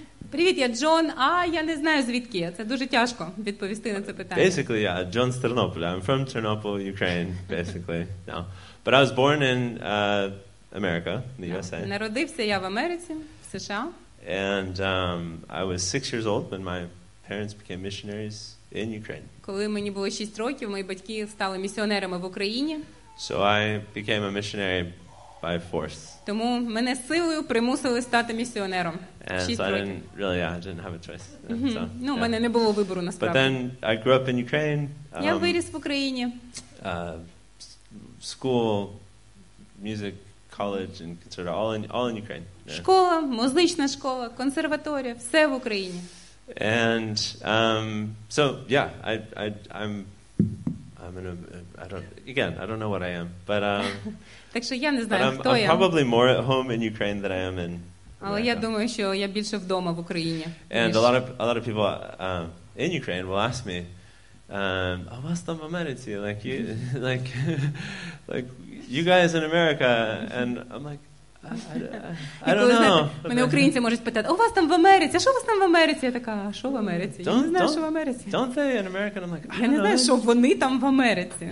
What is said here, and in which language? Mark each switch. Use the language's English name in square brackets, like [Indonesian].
[Ukrainian] Привіт, я Джон, а я не знаю звідки. Це дуже тяжко відповісти на це питання. [English] Basically, yeah, John [Ukrainian] з Тернополя. [English] I'm from Chernobyl, Ukraine, basically. No. But I was born in America, the USA. [Ukrainian] Народився я в Америці, в США. [English] And I was 6 years old when my parents became missionaries in Ukraine. [Ukrainian] Коли мені було 6 років, мої батьки стали місіонерами в Україні. [English] So I became a missionary by force. [Ukrainian] Тому мене силою примусили стати місіонером. [English] And [Ukrainian] 6 років. [English] I didn't really, I didn't have a choice. [Ukrainian] Ну, в мене не було вибору насправді. [English] But then I grew up in Ukraine. [Ukrainian] Я виріс в Україні. [English] School, music, college and conservatory, all in Ukraine. Yeah. [Ukrainian] Школа, музична школа, консерваторія, все в Україні. [English] And I don't know what I am, but [Ukrainian] так що я не знаю, хто я. [English] I'm probably more at home in Ukraine than I am in America. [Ukrainian] Але я думаю, що я більше вдома в Україні. [English] And a lot of people in Ukraine will ask me, [Ukrainian] а у вас там в Америці, [English] you guys in America, and I'm like, I don't know. [Ukrainian] Мене українці можуть питати, а у вас там в Америці, а що у вас там в Америці? Я така, а що в Америці? Я не знаю, що в Америці. [English] Don't they in America? I'm like, [Ukrainian] я не знаю, що вони там в Америці.